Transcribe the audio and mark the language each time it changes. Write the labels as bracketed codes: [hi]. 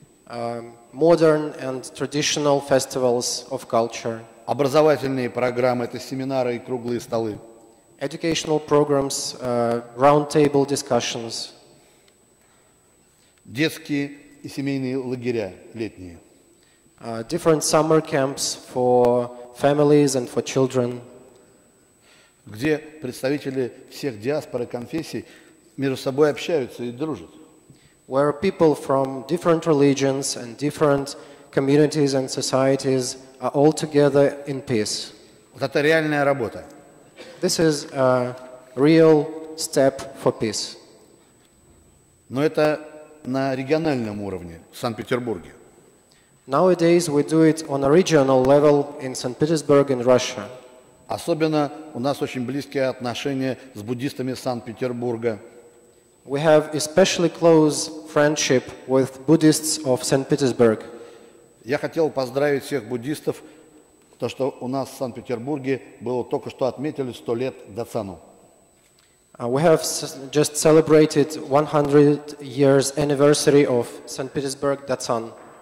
[en] Modern and traditional festivals of culture. [ru] Образовательные программы, это семинары и круглые столы. [en] Educational programs, roundtable discussions. [ru] Детские и семейные лагеря летние. [en] Different summer camps for families and for children. [ru] Где представители всех диаспор и конфессий между собой общаются и дружат. [en] Where people from different religions and different communities and societies are all together in peace. [ru] Вот это реальная работа. [en] This is a real step for peace. [ru] Но это на региональном уровне в Санкт-Петербурге. [en] Nowadays we do it on a regional level in St. Petersburg in Russia. [ru] Особенно у нас очень близкие отношения с буддистами Санкт-Петербурга. [en] We have especially close friendship with Buddhists of St. Petersburg. [ru] Я хотел поздравить всех буддистов, то что у нас в Санкт-Петербурге было только что отметили 100 лет Дацану. [en] We have just celebrated 100 years anniversary of St. Petersburg Dacan.